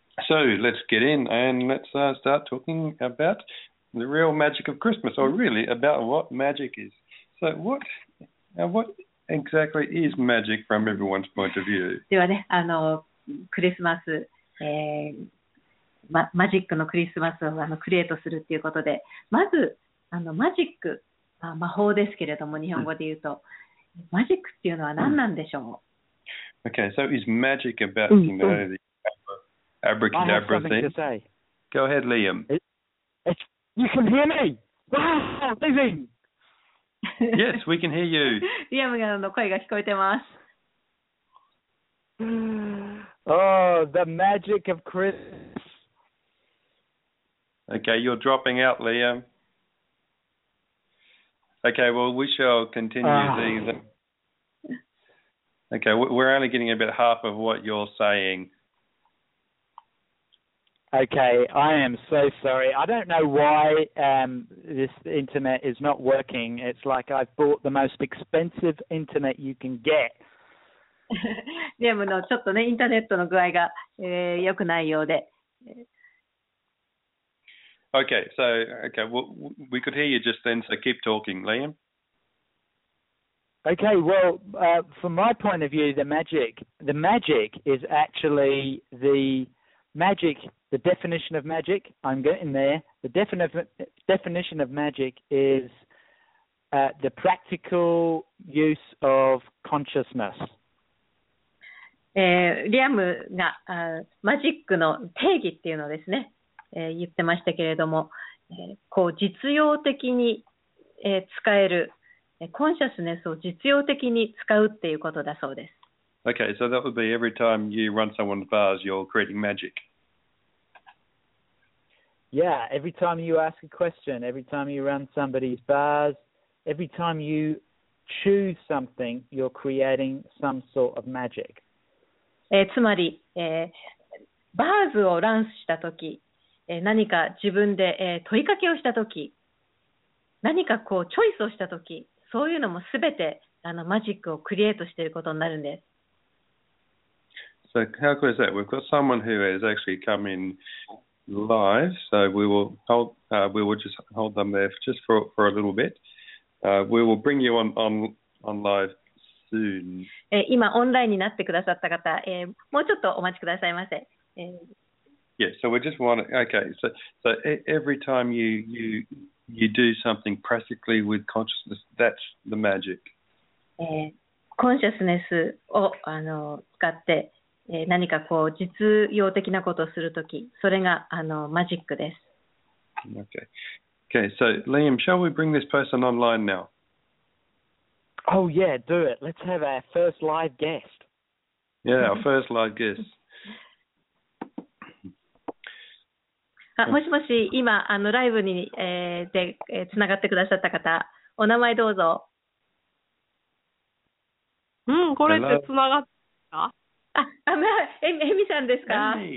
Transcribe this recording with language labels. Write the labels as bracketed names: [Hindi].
[English] So let's get in and let's start talking about the real magic of Christmas, or really about what magic is. So what exactly is magic from everyone's point of view? [Japanese] ではね、クリスマス、マジックのクリスマスをクリエイトするっていうことで、まずマジック、魔法ですけれども日本語で言うと、マジックっていうのは何なんでしょう？ [English] Okay, so is magic about, Go ahead, Liam. You can hear me. Wow, living. Yes, we can hear you. [Japanese] Liam の声が聞こえてます。 [English] Oh, the magic of Christmas. Okay, you're dropping out, Liam. Okay, well, we shall continue these. Okay, we're only getting about half of what you're saying. Okay, I am so sorry. I don't know why this internet is not working. It's like I've bought the most expensive internet you can get. [Japanese] リアムのちょっとね、インターネットの具合が、良くないようで。 [English] Okay, so, okay, well, we could hear you just then, so keep talking, Liam. Okay, well, from my point of view, the magic is actually the magic... The definition of magic, I'm getting there. The definition of magic is the practical use of consciousness. [Japanese] リアムがマジックの定義っていうのをですね、言ってましたけれども、こう実用的に、使える、コンシャスネスを実用的に使うっていうことだそうです。 [English] Okay, so that would be every time you run someone's bars, you're creating magic. Yeah, every time you ask a question, every time you run somebody's bars, every time you choose something, you're creating some sort of magic. [Japanese] つまり、バーズをランスしたとき、何か自分で、問いかけをしたとき、何かこうチョイスをしたとき、そういうのもすべてマジックをクリエイトしていることになるんです。 [English] So how cool is that? We've got someone who has actually come in... Live, so we will hold. We will just hold them there for a little bit. We will bring you on live soon. [Japanese] 今オンラインになってくださった方、もうちょっとお待ちくださいませ。 [English] Yes, so we just want to, okay, so every time you do something practically with consciousness, that's the magic. [Japanese] コンシャスネスを使って、何かこう実用的なことをするとき、それがマジックです。 [English] Okay, so Liam, shall we bring this person online now? Oh yeah, do it. Let's have our first live guest. Yeah, our first live guest. [Japanese] あ、もしもし、今ライブに、で、つながってくださった方、お名前どうぞ。うん、これってつながった？あ、まあ、エミさんですか？